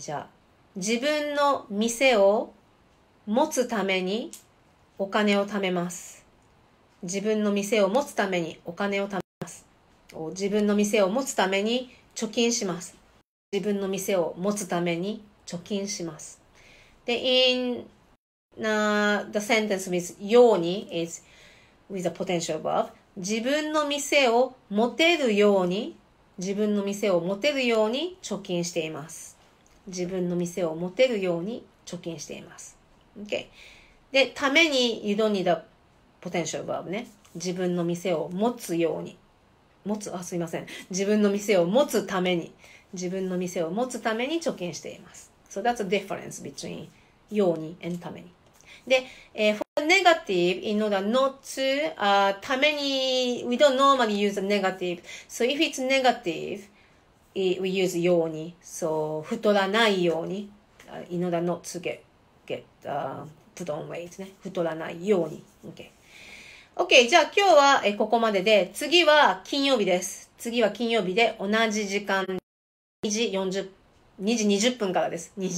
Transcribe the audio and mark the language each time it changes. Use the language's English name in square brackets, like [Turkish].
[Japanese] じゃあ、自分の店を持つためにお金を貯めます。自分の店を持つためにお金を貯めます。自分の店を持つために貯金します。自分の店を持つために貯金します。 [English] で、the sentence with ように is with a potential verb. [Japanese] 自分の店を持てるように自分の店を持てるように貯金しています。自分の店を持てるように貯金しています。 [English] Okay. で、ために、you don't need a potential verb ね。 [Japanese] 自分の店を持つように。持つ、あ、すいません。自分の店を持つために。自分の店を持つために貯金しています。 [English] So that's a difference between ように、エンタメに。で、for negative, in order not to, ために、we don't normally use the negative. So if it's negative, we use ように。 [Japanese] So, 太らないように。 [English] in order not to get put on weight ね。 [Japanese] 太らないように。Okay. Okay, じゃあ今日は、ここまでで、次は金曜日です。次は金曜日で、同じ時間、2時20分からです。